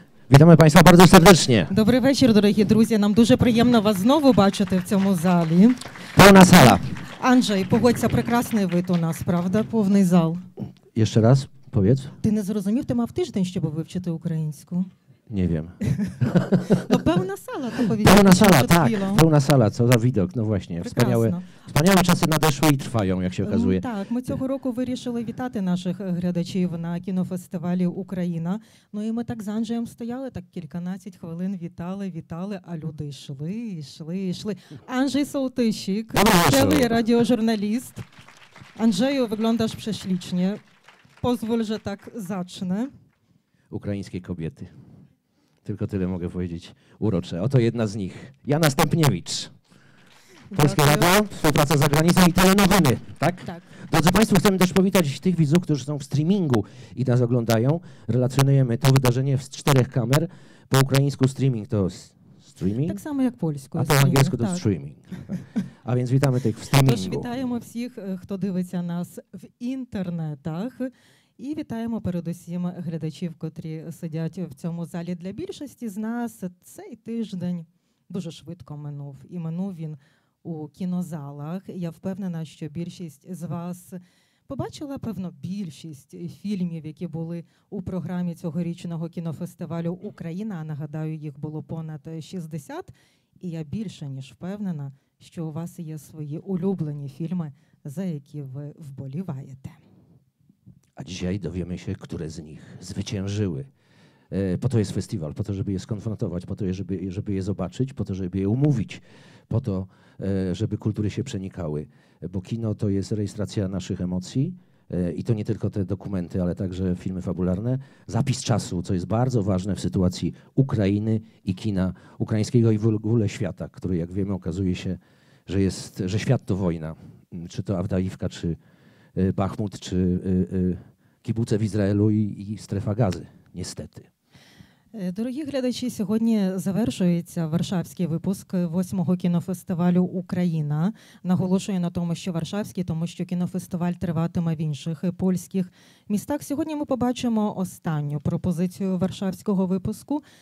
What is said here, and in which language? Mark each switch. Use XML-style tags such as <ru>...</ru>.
<pl>Witamy Państwa bardzo serdecznie. Dobry wieczór, drodzy друзі.</pl> <uk>Нам дуже приємно вас знову бачити в цьому залі. Повна сала. Андрій, погодься, прекрасний вид у нас, правда? Повний зал. Ще раз, повідь. Ти не зрозумів, ти мав тиждень, щоб вивчити українську.</uk> <pl>Не wiem. No pełna sala, to powiedzmy. Pełna sala, tak. Pełna sala, co za widok. No właśnie, wspaniałe, wspaniałe czasy nadeszły i trwają, jak się okazuje. Tak, my tego roku wyruszyli witaty naszych graczy na kinofestiwalu Ukraina. No i my tak z Andrzejem stojali, tak kilkanaście chwilin witali, witali, a ludzie szli, szli, szli. Andrzej Sołtysik, cały radiożurnalist. Andrzeju, wyglądasz prześlicznie. Pozwól, że tak zacznę. Ukraińskie kobiety. Tylko tyle mogę powiedzieć. Urocze. Oto jedna z nich. Jana Stępniewicz. Polskie Radio, współpraca za granicą i telenowiny, tak? Tak. Drodzy Państwo, chcemy też powitać tych widzów, którzy są w streamingu i nas oglądają. Relacjonujemy to wydarzenie z czterech kamer. Po ukraińsku streaming to streaming? Tak samo jak polsku. A po angielsku to tak. Streaming. A więc witamy tych w streamingu. Toż witajmy wszystkich, kto dziwicie nas w internetach.</pl> <uk>І вітаємо передусім глядачів, котрі сидять в цьому залі. Для більшості з нас цей тиждень дуже швидко минув. І минув він у кінозалах. Я впевнена, що більшість з вас побачила, певно, більшість фільмів, які були у програмі цьогорічного кінофестивалю «Україна». Нагадаю, їх було понад 60. І я більше, ніж впевнена, що у вас є свої улюблені фільми, за які ви вболіваєте.</uk> <pl>A dzisiaj dowiemy się, które z nich zwyciężyły. Po to jest festiwal, po to, żeby je skonfrontować, po to, żeby je zobaczyć, po to, żeby je umówić, po to, żeby kultury się przenikały. Bo kino to jest rejestracja naszych emocji i to nie tylko te dokumenty, ale także filmy fabularne. Zapis czasu, co jest bardzo ważne w sytuacji Ukrainy i kina ukraińskiego i w ogóle świata, który, jak wiemy, okazuje się, że świat to wojna. Czy to Awdajiwka, czy Bachmut, czy kibuce w Izraelu i strefa Gazy, niestety.</pl> <uk>Дорогі глядачі, сьогодні завершується Варшавський випуск 8-го кінофестивалю «Україна». Наголошую на тому, що Варшавський, тому що кінофестиваль триватиме в інших польських містах. Сьогодні ми побачимо останню пропозицію Варшавського випуску.</uk>